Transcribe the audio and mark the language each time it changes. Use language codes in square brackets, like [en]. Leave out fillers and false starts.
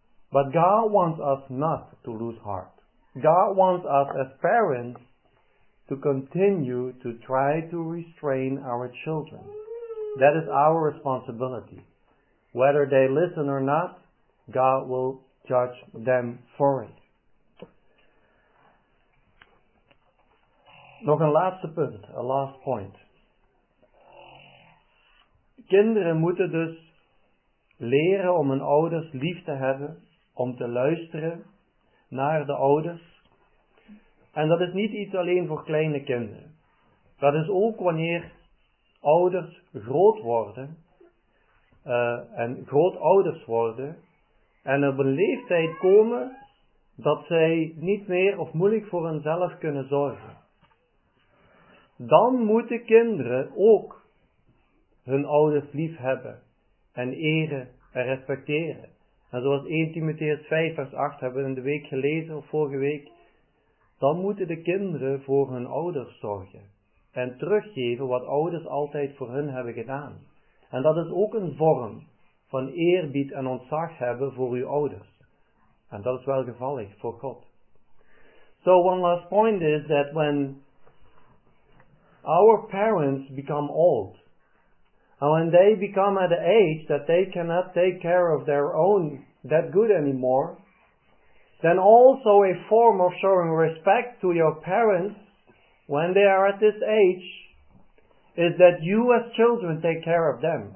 [en] But God wants us not to lose heart. God wants us as parents to continue to try to restrain our children. That is our responsibility. Whether they listen or not, God will judge them for it. [nl] Nog een laatste punt, [en] a last point. [nl] Kinderen moeten dus leren om hun ouders lief te hebben, om te luisteren naar de ouders. En dat is niet iets alleen voor kleine kinderen. Dat is ook wanneer ouders groot worden, en grootouders worden, en op een leeftijd komen dat zij niet meer of moeilijk voor hunzelf kunnen zorgen. Dan moeten kinderen ook hun ouders lief hebben en eren en respecteren. En zoals 1 Timotheus 5 vers 8 hebben we in de week gelezen of vorige week. Dan moeten de kinderen voor hun ouders zorgen. En teruggeven wat ouders altijd voor hun hebben gedaan. En dat is ook een vorm van eerbied en ontzag hebben voor uw ouders. En dat is wel gevallig voor God. [en] So one last point is that when our parents become old, and when they become at an age that they cannot take care of their own that good anymore, then also a form of showing respect to your parents when they are at this age is that you as children take care of them.